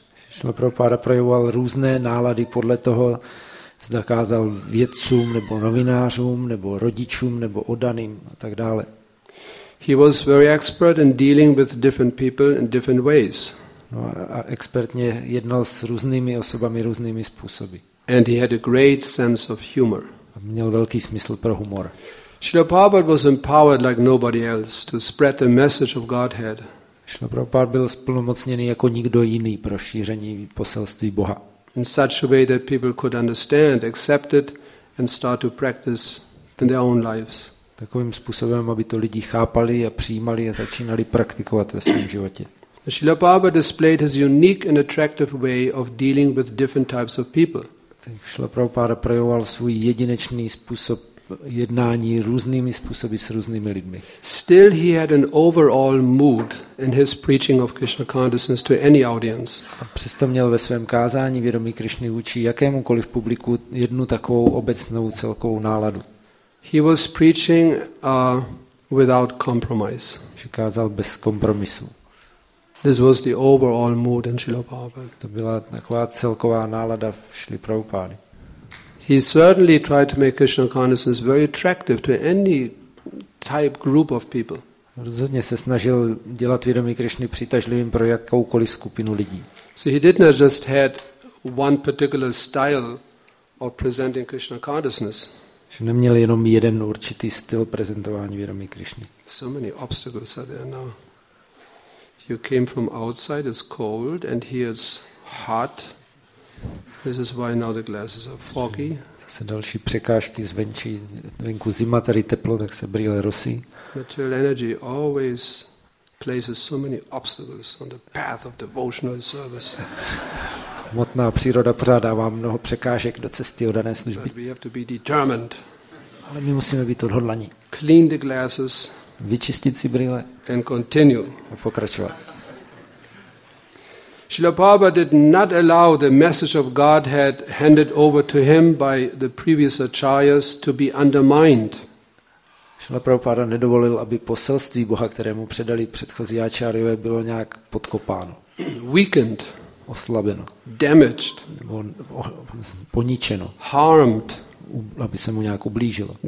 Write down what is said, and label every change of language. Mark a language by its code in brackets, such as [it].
[cs] Srila Prabhupada projevoval různé nálady podle toho, zda kázal vědcům nebo novinářům nebo rodičům nebo oddaným a tak dále. [en] He was very expert in dealing with different people in different ways. [cs] No a expertně jednal s různými osobami různými způsoby. [en] And he had a great sense of humor. [cs] A měl velký smysl pro humor. [en] Srila Prabhupada was empowered like nobody else to spread the message of Godhead. [cs] Srila Prabhupada byl splnomocněný jako nikdo jiný pro šíření poselství Boha. [en] In such a way that people could understand, accept it and start to practice in their own lives. [cs] Takovým způsobem, aby to lidi chápali a přijímali a začínali praktikovat ve svém životě. [en] Srila Prabhupada displayed his unique and attractive way of dealing with different types of people. [cs] Srila Prabhupada projevoval svůj jedinečný způsob jednání různými způsoby s různými lidmi. [en] Still he had an overall mood in his preaching of Krishna consciousness to any audience. [cs] A přesto měl ve svém kázání vědomí Krishny vůči jakémukoliv publiku jednu takovou obecnou celkovou náladu. [en] He was preaching without compromise. [cs] Že kázal bez kompromisu. [en] This was the overall mood in Srila Prabhupada. [cs] To byla taková celková nálada Srila Prabhupada. [en] He certainly tried to make Krishna consciousness very attractive to any type group of people. [cs] Rozhodně se snažil dělat vědomí Krishny přitažlivým pro jakoukoliv skupinu lidí. [en] So he did not just had one particular style of presenting Krishna consciousness. [cs] Že neměl jenom jeden určitý styl prezentování vědomí Krishny. [en] So many obstacles are there now. You came from outside, it's cold, and here it's hot. This is why now the glasses are foggy. [cs] Zase další překážky zvenčí, venku zima, tady teplo, tak se brýle rosí. [en] Material energy always places so many obstacles on the path of devotional service. [cs] Hmotná příroda pořád dává mnoho překážek do cesty oddané služby. [en] But we have to be determined. [cs] Ale my musíme být odhodlaní. [en] Clean the glasses. [cs] Vyčistit si brýle. [en] And continue. [cs] A pokračovat. [en] Srila Prabhupada did not allow the message of Godhead handed over to him by the previous acharyas to be undermined. [cs] Srila Prabhupada nedovolil, aby poselství Boha, kterému předali předchozí acharyové, bylo nějak podkopáno. [en] Weakened. [cs] Oslabeno. [en] Damaged. [cs] Nebo poničeno. [en] Harmed. [cs] Aby se mu nějak ublížilo.